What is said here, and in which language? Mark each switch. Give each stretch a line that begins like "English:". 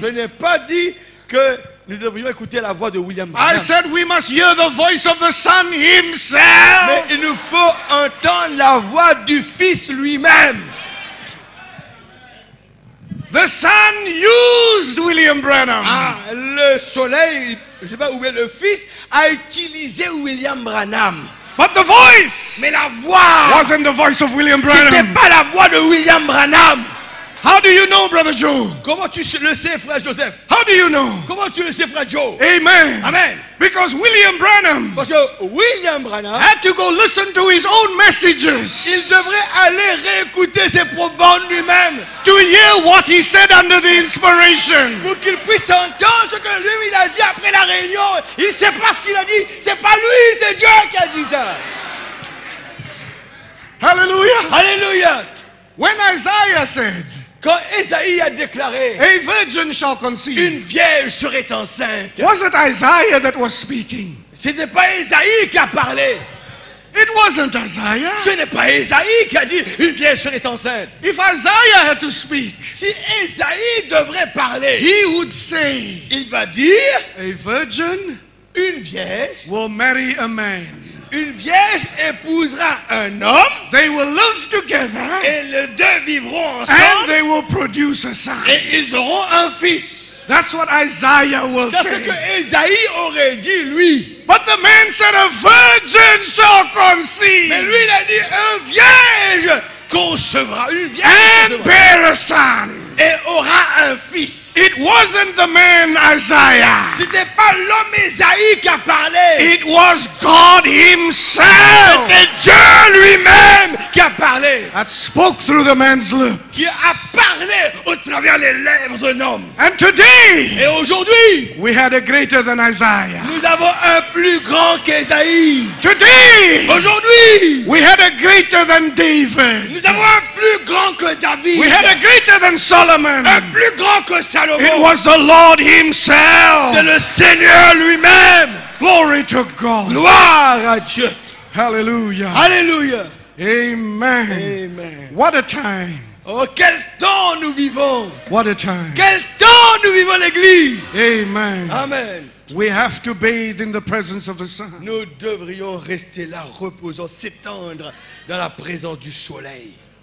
French: Je n'ai pas dit que nous devrions écouter la voix de William Branham.
English: I said we must hear the voice of the Son Himself.
French: Mais il nous faut entendre la voix du Fils lui-même.
English: The Son used William Branham.
French: Ah, le soleil. Je sais pas où est le fils a utilisé William Branham.
English: But the voice.
French: Mais la voix.
English: Wasn't the voice of William Branham.
French: C'était pas la voix de William Branham.
English: How do you know, Brother Joe?
French: Comment tu le sais, frère Joseph?
English: How do you know?
French: Comment tu le sais, frère Joe?
English: Amen.
French: Amen.
English: Because William Branham.
French: Parce que William Branham.
English: Had to go listen to his own messages.
French: Il devrait aller réécouter ses propos lui-même.
English: To hear what he said under the inspiration.
French: Pour qu'il puisse entendre ce que lui il a dit après la réunion. Il sait pas ce qu'il a dit. C'est pas lui, c'est Dieu qui a dit ça.
English: Hallelujah.
French: Hallelujah.
English: When Isaiah said.
French: Quand Isaïe a déclaré,
English: a virgin shall conceive.
French: Une vierge serait enceinte.
English: Was it Isaiah that was speaking?
French: C'était pas Isaïe qui a parlé.
English: It wasn't Isaiah.
French: Ce n'est pas Isaïe qui a dit une vierge serait enceinte.
English: If Isaiah had to speak,
French: si Isaïe devrait parler,
English: he would say,
French: il va dire,
English: a virgin,
French: une vierge,
English: will marry a man.
French: Une vierge épousera un homme.
English: They will live together.
French: Et les deux vivront ensemble.
English: And they will produce a son.
French: Et ils auront un fils.
English: That's what Isaiah will
French: say. C'est ce que Isaïe aurait dit lui.
English: But the man said a virgin shall conceive.
French: Mais lui il a dit un vierge concevra, une vierge
English: and bear a son.
French: Et aura un fils.
English: It wasn't the man Isaiah.
French: C'était pas l'homme Isaïe qui a parlé.
English: It was God himself.
French: C'était Dieu lui-même qui a parlé.
English: That spoke through the man's lips.
French: Qui a parlé au travers les lèvres d'un homme.
English: And today.
French: Et aujourd'hui.
English: We had a greater than Isaiah.
French: Nous avons un plus grand qu'Isaïe.
English: Today.
French: Aujourd'hui.
English: We had a greater than David.
French: Nous avons un plus grand que David.
English: We had a greater than Solomon.
French: Un plus grand que Salomon.
English: It was the Lord himself.
French: C'est le Seigneur lui-même.
English: Glory to God.
French: Gloire à Dieu.
English: Hallelujah.
French: Hallelujah.
English: Amen.
French: Amen.
English: What a time.
French: Oh, quel temps nous vivons.
English: What a time.
French: Quel temps nous vivons, l'Église.
English: Amen.
French: Amen.
English: We have to bathe in the presence of the sun.
French: Nous devrions rester là, reposant, s'étendre dans la présence du soleil.